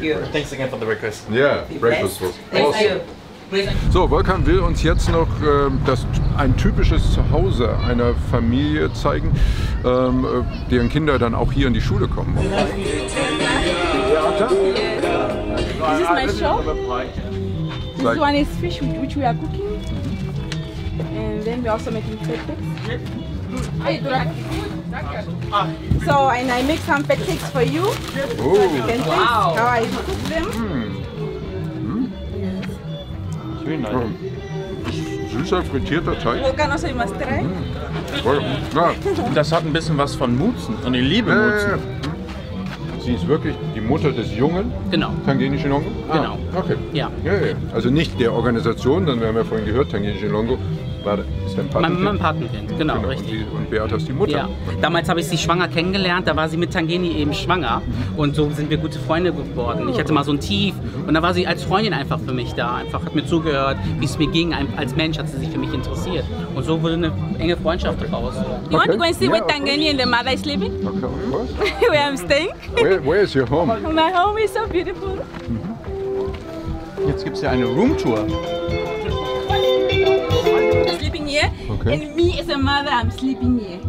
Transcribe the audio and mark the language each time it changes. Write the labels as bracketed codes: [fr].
[en] you. Thanks again for the request. Yeah, breakfast was awesome. [de] So, Volkan will uns jetzt noch ein typisches Zuhause einer Familie zeigen, deren Kinder dann auch hier in die Schule kommen. [en] This is my show. This one is fish which we are cooking. And then we're also making pancakes. So and I make some pancakes for you. Oh. So you can taste how I cook them. Mm. [de] Süßer frittierter Teig. Und das hat ein bisschen was von Mutzen und ich liebe Mutzen. Sie ist wirklich die Mutter des jungen Tangenische Longo? Genau. Okay. Ja. Also nicht der Organisation, denn wir haben ja vorhin gehört, Tangenische Longo ist dein Patenkind. Mein Patenkind, genau. Richtig. Und Beata ist die Mutter. Ja. Damals habe ich sie schwanger kennengelernt, da war sie mit Tangeni eben schwanger. Und so sind wir gute Freunde geworden. Ich hatte mal so ein Tief und da war sie als Freundin einfach für mich da. Einfach hat mir zugehört, wie es mir ging. Als Mensch hat sie sich für mich interessiert. Und so wurde eine enge Freundschaft daraus. [en] You want to go and see where Tangeni and the mother is living? Okay, of course. Where I'm staying? Where is your home? My home is so beautiful. [de] Jetzt gibt es ja eine Roomtour. [en] Sleeping here, okay. And me as a mother, I'm sleeping here.